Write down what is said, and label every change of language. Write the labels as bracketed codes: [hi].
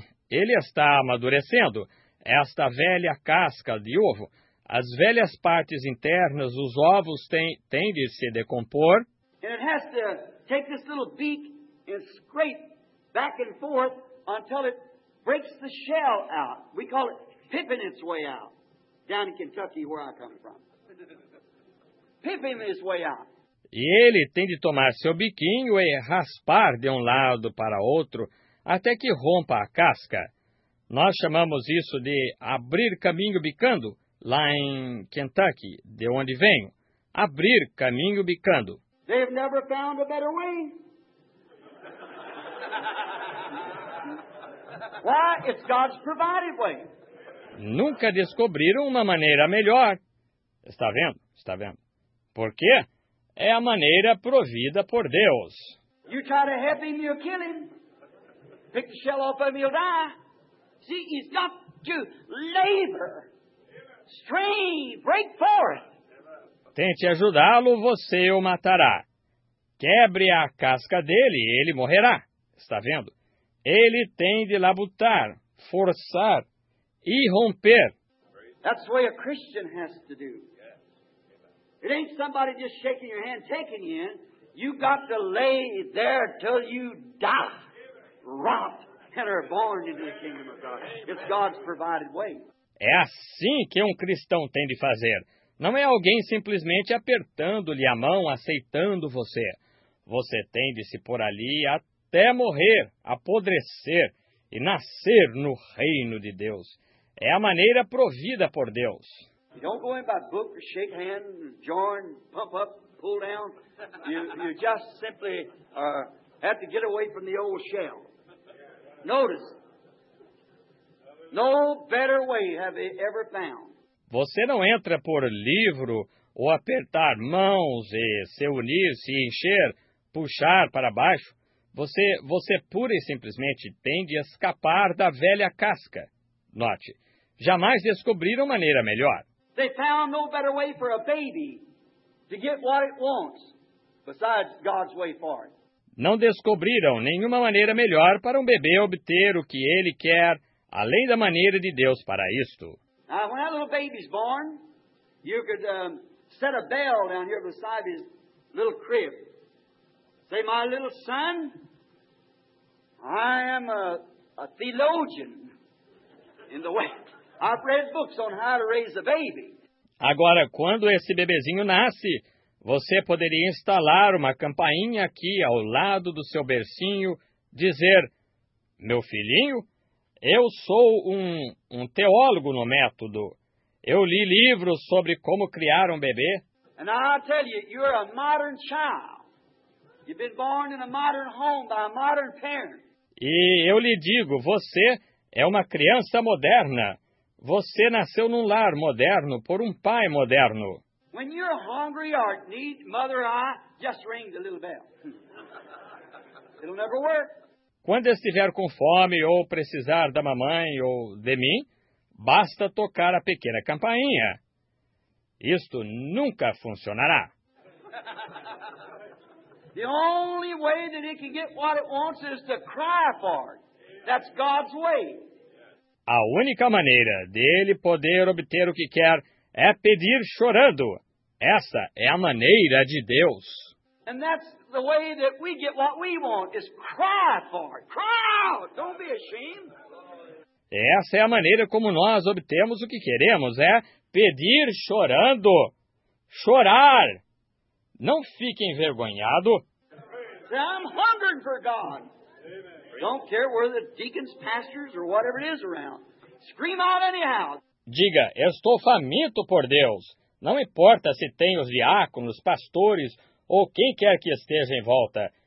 [pt] Ele está amadurecendo esta velha casca de ovo. As velhas partes internas, os ovos, têm de se decompor. [en] And it has to take this little beak and scrape back and forth until it breaks the shell out. We call it pipping its way out, down in Kentucky, where I come from. Pipping its way out. [pt] E ele tem de tomar seu biquinho e raspar de um lado para outro até que rompa a casca. Nós chamamos isso de abrir caminho bicando. Lá em Kentucky, de onde venho, abrir caminho bicando. [en] They've never found a better way. Why? It's God's provided way. [pt] Nunca descobriram uma maneira melhor. Está vendo? Está vendo? Por quê? É a maneira provida por Deus. [en] You try to help him, you'll kill him. Pick the shell off of him, you'll die. See, he's got to labor. Strain, break forth. [pt] Tente ajudá-lo, você o matará. Quebre a casca dele, ele morrerá. Está vendo? Ele tem de labutar, forçar e romper. [en] That's what a Christian has to do. It ain't somebody just shaking your hand, taking you in. You got to lay there till you die, rot, and are born into the kingdom of God. It's God's provided way. [pt] É assim que um cristão tem de fazer. Não é alguém simplesmente apertando-lhe a mão, aceitando você. Você tem de se pôr ali até morrer, apodrecer e nascer no reino de Deus. É a maneira provida por Deus. [en] You don't go in by book, shake hands, join, pump up, pull down. You just simply have to get away from the old shell. Notice, no better way have they ever found. [pt] Você não entra por livro ou apertar mãos e se unir, se encher, puxar para baixo. Você pura e simplesmente tem de escapar da velha casca. Note, jamais descobriram maneira melhor. [en] They found no better way for a baby to get what it wants besides God's way for it. [pt] Não descobriram nenhuma maneira melhor para um bebê obter o que ele quer, além da maneira de Deus para isto. [en] Now, when that little baby's born, you could set a bell down here beside his little crib. Say, my little son, I am a theologian in the way. I've read books on how to raise a baby. [pt] Agora, quando esse bebezinho nasce, você poderia instalar uma campainha aqui ao lado do seu bercinho, dizer, meu filhinho, eu sou um teólogo no método. Eu li livros sobre como criar um bebê. [en] And I tell you, you're a modern child. You've been born in a modern home by a modern parent. [pt] E eu lhe digo, você é uma criança moderna. Você nasceu num lar moderno por um pai moderno. [en] When you're hungry or need mother or I, just ring the little bell. It'll never work. [pt] Quando estiver com fome ou precisar da mamãe ou de mim, basta tocar a pequena campainha. Isto nunca funcionará. [en] The only way that it can get what it wants is to cry for it. That's God's way. [pt] A única maneira dele poder obter o que quer é pedir chorando. Essa é a maneira de Deus. [en] And that's the way that we get what we want, is cry for it. Cry out! Don't be ashamed. [pt] Essa é a maneira como nós obtemos o que queremos, é pedir chorando. Chorar! Não fique envergonhado. [en] I'm hungering for God. Amen. Don't care where the deacons, pastors, or whatever it is around. Scream out anyhow. [pt] Diga, estou faminto por Deus. Não importa se tem os diáconos, pastores, ou quem quer que esteja em volta.